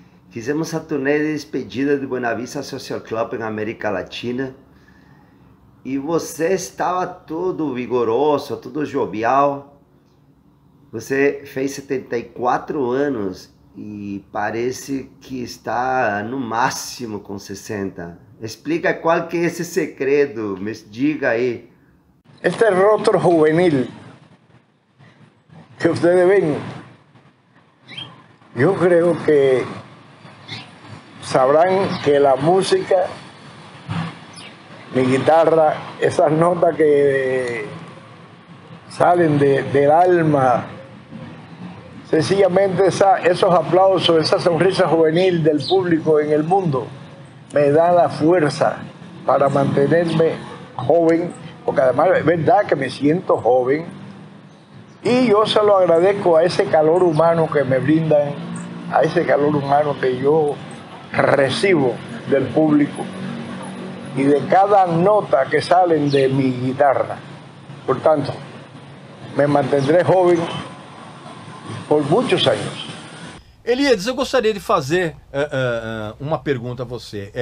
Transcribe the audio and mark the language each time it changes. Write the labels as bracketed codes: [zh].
[pt] Fizemos a turnê de despedida do Buena Vista Social Club na América Latina e você estava todo vigoroso, todo jovial. Você fez 74 anos e parece que está no máximo com 60. Explica qual que é esse segredo, me diga aí. [es] Este rostro juvenil que ustedes ven, yo creo que sabrán que la música mi guitarra, esas notas que salen del alma, sencillamente esos aplausos, esa sonrisa juvenil del público en el mundo, me da la fuerza para mantenerme joven, porque además es verdad que me siento joven, y yo se lo agradezco a ese calor humano que me brindan, a ese calor humano que yo recibo del público y de cada nota que salen de mi guitarra. Por tanto, me mantendré joven por muchos años. [pt] Eliedes, eu gostaria de fazer uma pergunta a você.